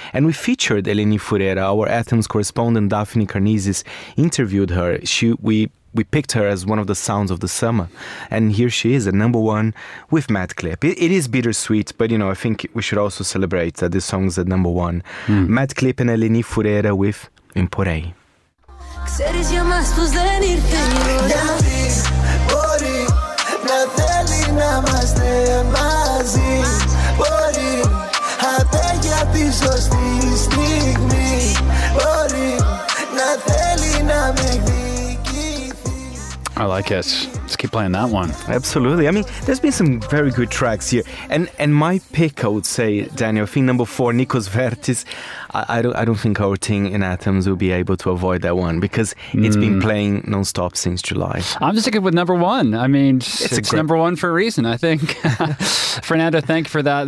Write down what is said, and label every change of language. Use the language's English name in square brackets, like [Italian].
[English] And we featured Eleni Fureira. Our Athens correspondent Daphne Karnizis interviewed her. We picked her as one of the sounds of the summer. And here she is at number one with Mad Clip. It is bittersweet, but, you know, I think we should also celebrate that this song is at number one. Mm. Mad Clip and Eleni Fureira with Imporei. [Greek] Ξέρεις για μας πως δεν ήρθε η ώρα. Γιατί μπορεί να θέλει να είμαστε μαζί. Μπορεί άντε για τη σωστή στιγμή. Μπορεί να θέλει να με εκδικηθεί. [English] I like it. Let's keep playing that one. Absolutely. I mean, there's been some very good tracks here. And my pick, I would say, Daniel, I think number four, Nikos Vertis. I don't think our team in Athens will be able to avoid that one because it's been playing nonstop since July. I'm sticking with number one. I mean, it's number one for a reason, I think. Fernando, thank you for that.